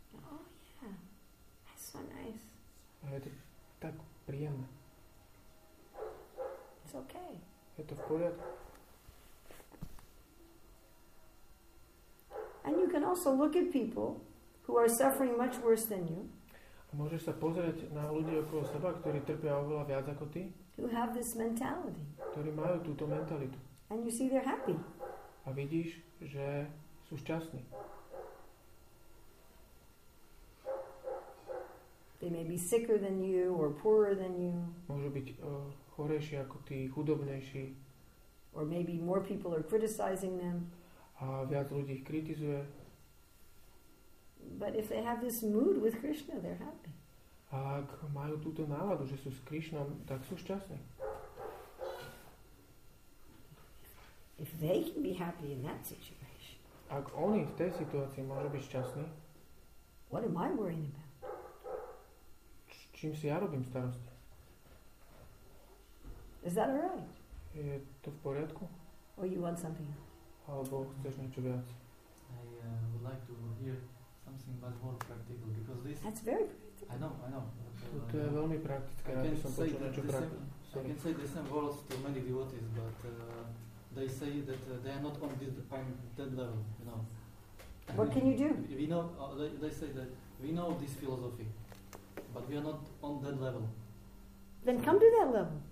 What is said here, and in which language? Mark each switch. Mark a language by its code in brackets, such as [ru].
[en] Oh yeah, that's so nice. [sk] A je to tak príjemné. [en] It's okay. [sk] Je to v poriadku. [en] And you can also look at people who are suffering much worse than you. [sk] Môžeš sa pozrieť na ľudí okolo seba, ktorí trpia oveľa viac ako ty. [en] Who have this mentality. [sk] Ktorí majú túto mentalitu. [en] And you see they're happy. [sk] A vidíš, že sú šťastní. [en] They may be sicker than you or poorer than you. [sk] Môžu byť chorejší ako ty, chudobnejší. [en] Or maybe more people are criticizing them. [sk] A viac ľudí ich kritizuje. [en] But if they have this mood with Krishna, they're happy. [sk] A ak majú túto náladu, že sú s Krishnom, tak sú šťastní. [en] If they can be happy in that situation. [sk] Ak oni v tej situácii môžu byť šťastní. [en] What am I worrying about? [sk] Čím si ja robím starosti? [en] Is that all right? [sk] Je to v poriadku? [en] Or you want something else? [sk] Alebo chceš niečo viac? [en] I would like to hear something but more practical, because this... That's very practical. I know. [sk] To je veľmi praktické, aby som počul niečo praktické. [en] I can say the same words to many devotees, but they say that they are not on that level, you know. What can you do? We know, they say that we know this philosophy, but we are not on that level. Then come to that level.